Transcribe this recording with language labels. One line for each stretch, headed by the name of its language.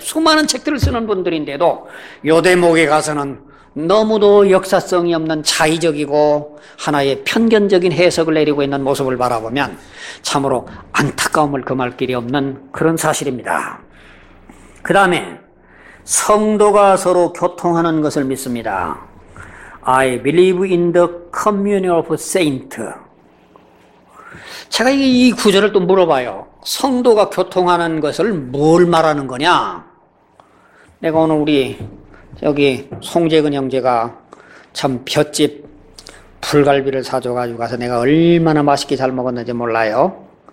Korean: 수많은 책들을 쓰는 분들인데도 요 대목에 가서는 너무도 역사성이 없는 자의적이고 하나의 편견적인 해석을 내리고 있는 모습을 바라보면 참으로 안타까움을 금할 길이 없는 그런 사실입니다. 그 다음에 성도가 서로 교통하는 것을 믿습니다.
English: I believe in the communion of saints.
Korean: 제가 이 구절을 또 물어봐요. 성도가 교통하는 것을 뭘 말하는 거냐? 내가 오늘 우리 여기 송재근 형제가 참 볏짚 불갈비를 사줘가지고 가서 내가 얼마나 맛있게 잘 먹었는지 몰라요.